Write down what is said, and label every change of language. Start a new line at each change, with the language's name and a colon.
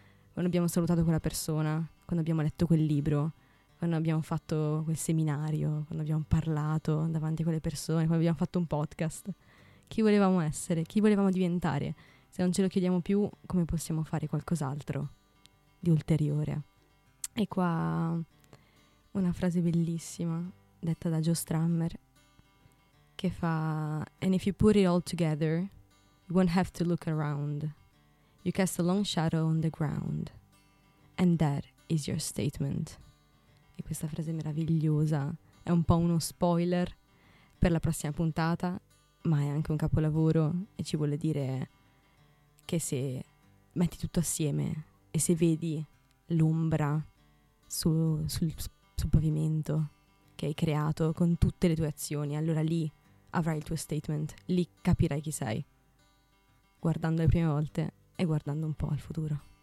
Italian: Quando abbiamo salutato quella persona, quando abbiamo letto quel libro, quando abbiamo fatto quel seminario, quando abbiamo parlato davanti a quelle persone, quando abbiamo fatto un podcast. Chi volevamo essere? Chi volevamo diventare? Se non ce lo chiediamo più, come possiamo fare qualcos'altro di ulteriore? E qua una frase bellissima, detta da Joe Strummer, che fa
English: "And if you put it all together, you won't have to look around. You cast a long shadow on the ground. And that is your statement."
Italian: E questa frase meravigliosa è un po' uno spoiler per la prossima puntata, ma è anche un capolavoro e ci vuole dire che se metti tutto assieme e se vedi l'ombra sul pavimento che hai creato con tutte le tue azioni, allora lì avrai il tuo statement, lì capirai chi sei, guardando le prime volte e guardando un po' al futuro.